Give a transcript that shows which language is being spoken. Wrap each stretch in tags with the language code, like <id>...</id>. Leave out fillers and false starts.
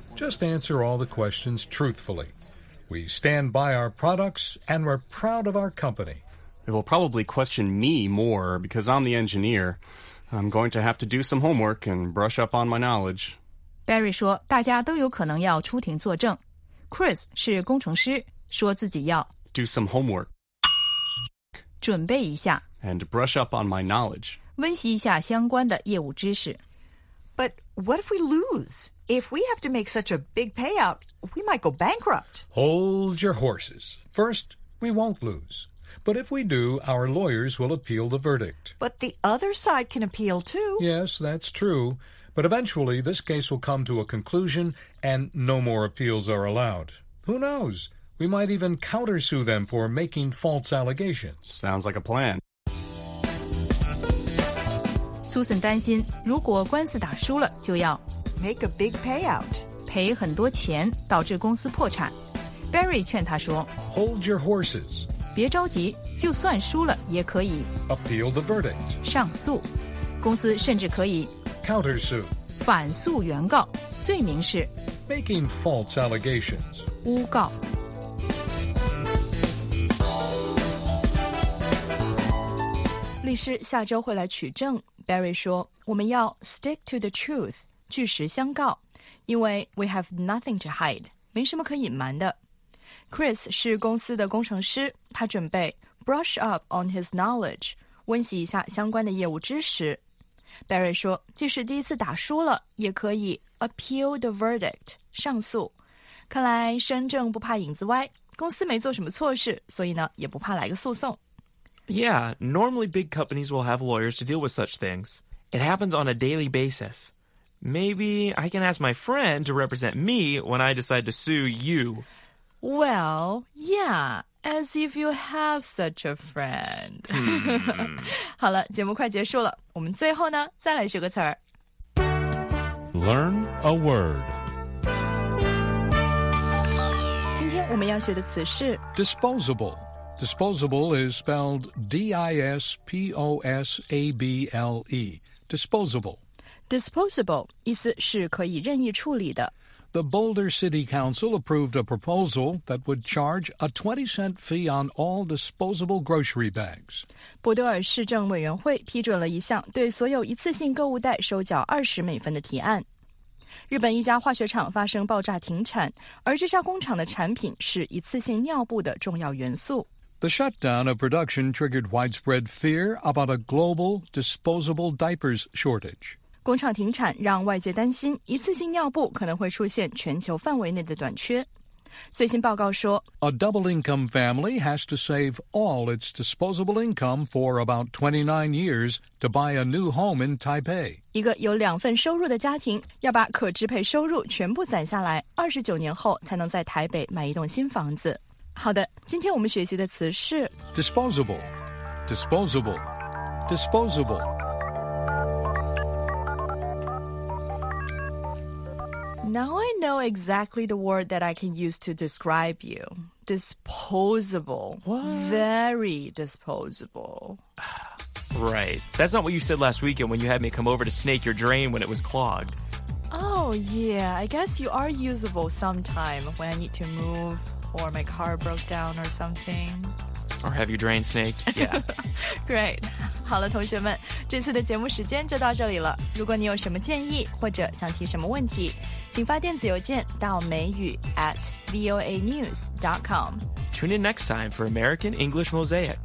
<en>Just answer all the questions truthfully. We stand by our products and we're proud of our company. They will probably question me more because I'm the engineer. I'm going to have to do some homework and brush up on my knowledge.</en> <zh>Barry 说大家都有可能要出庭作证。Chris 是工程师，说自己要</zh> <en>do some homework.</en> <zh>准备一下</zh> <en>and brush up on my knowledge.</en> <zh>温习一下相关的业务知识。</zh> <en>But what if we lose? If we have to make such a big payout, we might go bankrupt. Hold your horses. First, we won't lose. But if we do, our lawyers will appeal the verdict. But the other side can appeal too. Yes, that's true. But eventually, this case will come to a conclusion and no more appeals are allowed. Who knows? We might even countersue them for making false allegations. Sounds like a plan.</en> <zh>Susan 担心，如果官司打输了，就要</zh> <en>make a big payout，</en> <zh>赔很多钱，导致公司破产。Barry 劝他说</zh> <en>，Hold your horses.</en> <zh>别着急，就算输了也可以</zh> <en>appeal the verdict</en> <zh>上诉，公司甚至可以</zh> <en>countersue</en> <zh>反诉原告，罪名是</zh> <en>making false allegations</en> <zh>诬告。律师下周会来取证， Barry 说我们要 stick to the truth 据实相告，因为 we have nothing to hide 没什么可隐瞒的。 Chris 是公司的工程师，他准备 brush up on his knowledge 温习一下相关的业务知识。 Barry 说即使第一次打输了也可以 appeal the verdict 上诉，看来身正不怕影子歪，公司没做什么错事，所以呢也不怕来个诉讼。</zh> <en>Yeah, normally big companies will have lawyers to deal with such things. It happens on a daily basis. Maybe I can ask my friend to represent me when I decide to sue you. Well, yeah, as if you have such a friend.</en> <zh>好了，节目快结束了，我们最后呢，再来学个词儿。</zh> <en>Learn a word.</en> <zh>今天我们要学的词是</zh> <en>disposable. Disposable is spelled D-I-S-P-O-S-A-B-L-E, disposable.</en> <zh>Disposable, 意思是可以任意处理的。</zh> <en>The Boulder City Council approved a proposal that would charge a 20-cent fee on all disposable grocery bags.</en> <zh>博德尔市政委员会批准了一项对所有一次性购物袋收缴20美分的提案。日本一家化学厂发生爆炸停产，而这家工厂的产品是一次性尿布的重要元素。</zh> <en>The shutdown of production triggered widespread fear about a global disposable diapers shortage.</en> <zh>工厂停产让外界担心一次性尿布可能会出现全球范围内的短缺。最新报告说</zh> <en>A double income family has to save all its disposable income for about 29 years to buy a new home in Taipei.</en> <zh>一个有两份收入的家庭要把可支配收入全部攒下来29年后才能在台北买一栋新房子。好的，今天我们学习的词是</zh> <en>disposable, disposable, disposable. Now I know exactly the word that I can use to describe you. Disposable. What? Very disposable. Right. That's not what you said last weekend when you had me come over to snake your drain when it was clogged. Oh, yeah. I guess you are usable sometime when I need to move. Or my car broke down or something. Or have you drain snaked? Yeah. Great.</en> <zh>好了，同学们，这次的节目时间就到这里了。如果你有什么建议或者想提什么问题，请发电子邮件到美语 @voanews.com.</zh> <en>Tune in next time for American English Mosaic.</en>